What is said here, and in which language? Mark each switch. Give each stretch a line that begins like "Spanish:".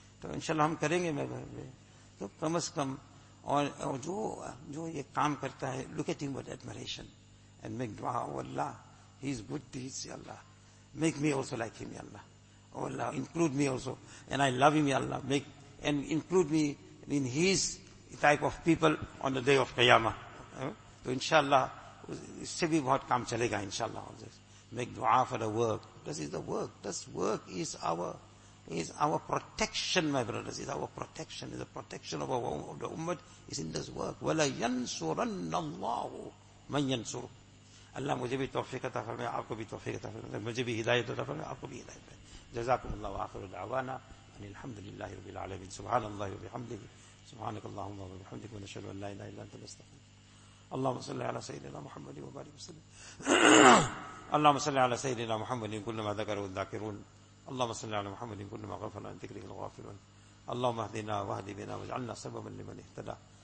English: So inshallah,
Urdu: hum karenge.
English: So come as come.
Urdu: اور جو یہ کام کرتا ہے,
English: look at him with admiration and make dua, oh Allah, he is good deeds, ya Allah, make me also like him, ya Allah, oh Allah, include me also, and I love him, ya Allah, make and include me in his type of people on the day of Qiyamah.
Urdu: So inshallah, اس سے بھی بہت کام چلے گا انشاءاللہ.
English: Make dua for the work. This is the work. This work is our protection, my brothers, is our protection, is the protection of the ummah, is in this work.
Arabic: وَلَا يَنْصُرَنَّ اللَّهُ مَنْ يَنْصُرُ.
Urdu: Allah, مجھے بھی توفیق عطا فرمے, آپ کو بھی توفیق عطا فرمے, مجھے بھی ہدایت عطا فرمے, آپ کو بھی ہدایت فرمے.
Arabic: جزاكم اللہ وآخر دعوانا ان الحمد للہ رب العالمين. سبحان اللہ وبحمده, سبحانك اللهم وبحمدك, ونشهد ان لا اله الا انت نستغفرك. اللهم صل على سيدنا محمد وبارك وسلم. اللهم صل على سيدنا محمد كل ما ذكره الذاكرون. اللهم صل على محمد كل ما غفلنا عن ذكره الغافلون. اللهم اهدنا واهد بنا واجعلنا سببا لمن اهتدى.